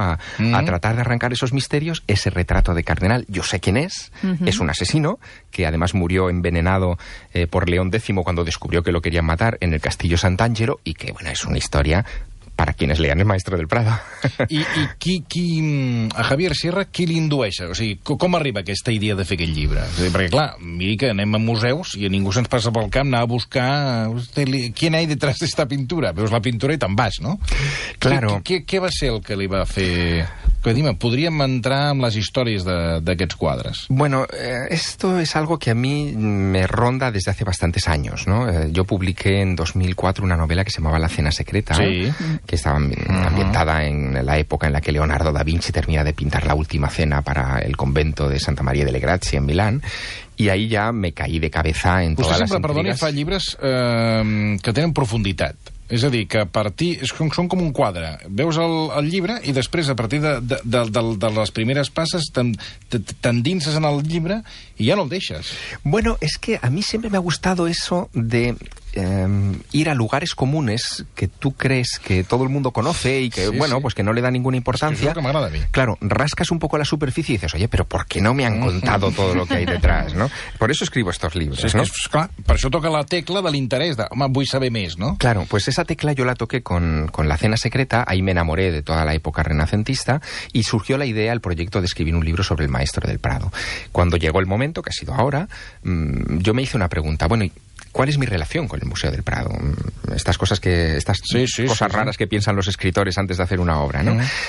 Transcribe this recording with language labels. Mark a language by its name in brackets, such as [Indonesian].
[Spanish] A tratar de arrancar esos misterios, ese retrato de cardenal. Yo sé quién es, es un asesino, que además murió envenenado por León X cuando descubrió que lo querían matar en el castillo Sant'Angelo y que, bueno, es una historia... Para quienes lean el Maestro del Prado. [Catalan] I qui, a Javier Sierra, qui l'indueix? O sigui, com arriba aquesta idea de fer aquest llibre? O sigui, perquè, clar, miri que anem a museus i a ningú se'ns passa pel camp anar a buscar... Qui hi ha detrás d'esta pintura? Veus la pintura i te'n vas, no? [Spanish] Claro. [Catalan] Què va ser el que li va fer... [Spanish] Que dime, [Catalan] ¿podríem entrar en les històries d'aquests quadres? [Spanish] Bueno, esto es algo que a mí me ronda desde hace bastantes años, ¿no? Yo publiqué en 2004 una novela que se llamaba La Cena Secreta, sí. Que estaba ambientada en la época en la que Leonardo da Vinci termina de pintar la última cena para el convento de Santa María delle Grazie en Milán. Y ahí ya me caí de cabeza en todas las intrigas. Usted siempre, perdón, [Catalan] y fa llibres que tenen profunditat. És a dir, que per ti són com un quadre. Veus el llibre i després, a partir de les primeres passes, t'endinses en el llibre i ja no el deixes. [Spanish] Bueno, es que a mí siempre me ha gustado eso de... ir a lugares comunes que tú crees que todo el mundo conoce y que, pues que no le da ninguna importancia. Es que es lo que me agrada a mí. Claro, rascas un poco la superficie y dices, oye, pero ¿por qué no me han contado todo lo que hay detrás, no? Por eso escribo estos libros, sí, ¿no? [Catalan] Es que, clar, per això toca la tecla de l'interès, de, home, vull saber més, ¿no? [Spanish] Claro, pues esa tecla yo la toqué con La cena secreta, ahí me enamoré de toda la época renacentista y surgió la idea, el proyecto de escribir un libro sobre el Maestro del Prado. Cuando llegó el momento, que ha sido ahora, yo me hice una pregunta, bueno, ¿cuál es mi relación con el Museo del Prado? Estas cosas que raras que piensan los escritores antes de hacer una obra, ¿no? Uh-huh.